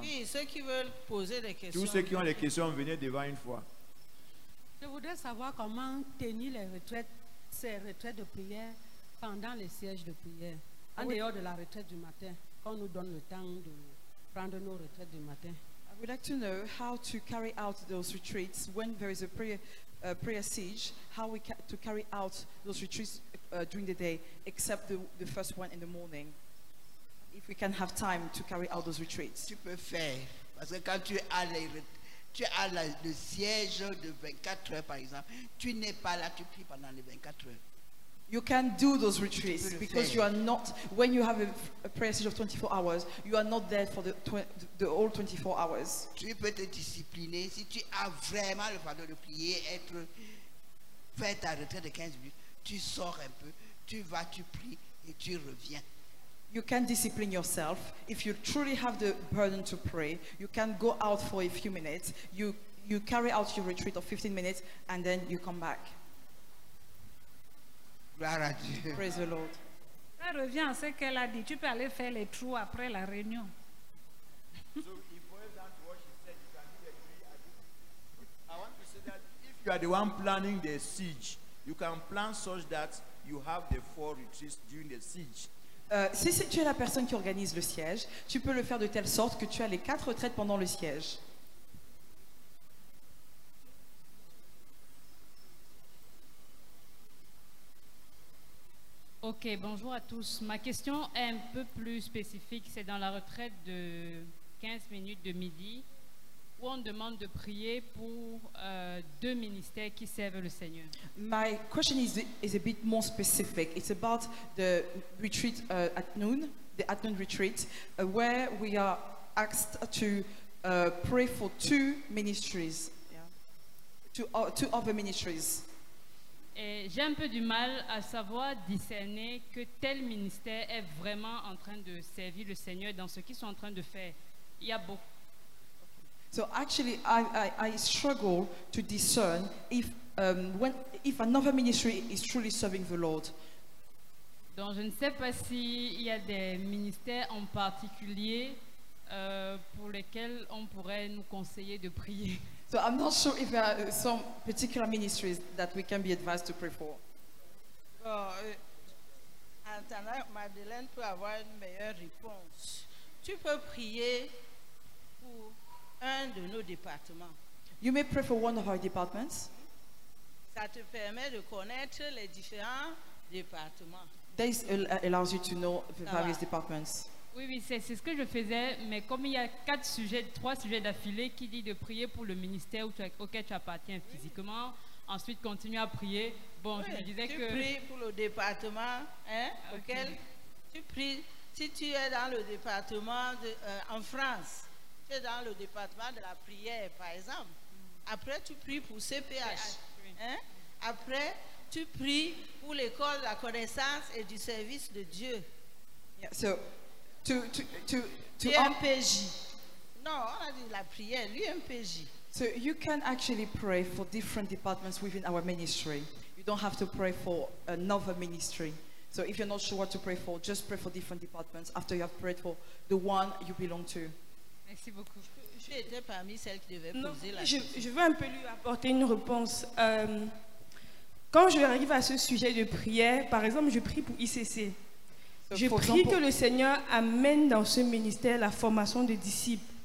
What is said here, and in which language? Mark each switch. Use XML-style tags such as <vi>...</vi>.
<fr>Oui, ceux qui veulent poser des questions. Tous ceux qui ont les questions, venez devant une fois. Je voudrais savoir comment tenir les retraites, ces retraites de prière pendant les sièges de prière, en dehors de la retraite du matin, quand on nous donne le temps de prendre nos retraites du matin.</fr> <en>I would like to know how to carry out those retreats when there is a prayer siege, how we to carry out those retreats during the day, except the first one in the morning, if we can have time to carry out those retreats.</en> <fr>Tu peux faire, parce que quand tu as les retraites, tu as le siège de 24 heures par exemple, tu n'es pas là, tu pries pendant les 24 heures.</fr> <en>You can do those retreats because you are not, when you have a prayer session of 24 hours, you are not there for the all 24 hours.</en> <fr>Tu peux te discipliner si tu as vraiment le pardon de prier, être, faire ta retraite de 15 minutes, tu sors un peu, tu vas, tu pries et tu reviens.</fr> <en>You can discipline yourself. If you truly have the burden to pray, you can go out for a few minutes, you carry out your retreat of 15 minutes and then you come back.</en> <fr>Gloire à Dieu.</fr> <en>Praise the Lord.</en> <fr>Ça revient à ce qu'elle a dit. Tu peux aller faire les trous après la réunion.</fr> <en>So it boils down to what she said. You can do the three at this point. I want to say that if you are the one planning the siege, you can plan such that you have the four retreats during the siege.</en> <fr>Si tu es la personne qui organise le siège, tu peux le faire de telle sorte que tu as les quatre retraites pendant le siège. Ok, bonjour à tous. Ma question est un peu plus spécifique. C'est dans la retraite de 15 minutes de midi où on demande de prier pour deux ministères qui servent le Seigneur.</fr> <en>My question is a bit more specific. It's about the retreat at noon, the at noon retreat, where we are asked to pray for two ministries, two other ministries.</en> <fr>Et j'ai un peu du mal à savoir discerner que tel ministère est vraiment en train de servir le Seigneur dans ce qu'ils sont en train de faire. Il y a beaucoup.</fr> <en>So actually, I struggle to discern if another ministry is truly serving the Lord.</en> <fr>Donc je ne sais pas si il y a des ministères en particulier pour lesquels on pourrait nous conseiller de prier.</fr> <en>So I'm not sure if there are some particular ministries that we can be advised to pray for.</en> <fr>En attendant, Madeleine peut avoir une meilleure réponse. Tu peux prier pour un de nos départements.</fr> <en>You may pray for one of our departments.</en> <fr>Ça te permet de connaître les différents départements.</fr> <en>This allows you to know the various departments.</en> <fr>Oui, c'est ce que je faisais, mais comme il y a trois sujets d'affilée qui dit de prier pour le ministère auquel tu appartiens physiquement, ensuite continuer à prier. Bon, oui, je me disais tu que... Tu pries pour le département, hein, okay. Auquel tu pries. Si tu es dans le département en France, tu es dans le département de la prière, par exemple. Après, tu pries pour CPH. Hein? Après, tu pries pour l'école de la connaissance et du service de Dieu.</fr> <en>Yeah, so...</en> <fr>L'UMPJ. Non, on a dit la prière, l'UMPJ.</fr> <en>So you can actually pray for different departments within our ministry. You don't have to pray for another ministry. So if you're not sure what to pray for, just pray for different departments after you have prayed for the one you belong to.</en> <fr>Merci beaucoup. Je étais parmi celles qui devaient poser la question. Je veux un peu lui apporter une réponse. Quand je arrive à ce sujet de prière, par exemple, je prie pour ICC. Je prie que le Seigneur amène dans ce ministère la formation des disciples.</fr>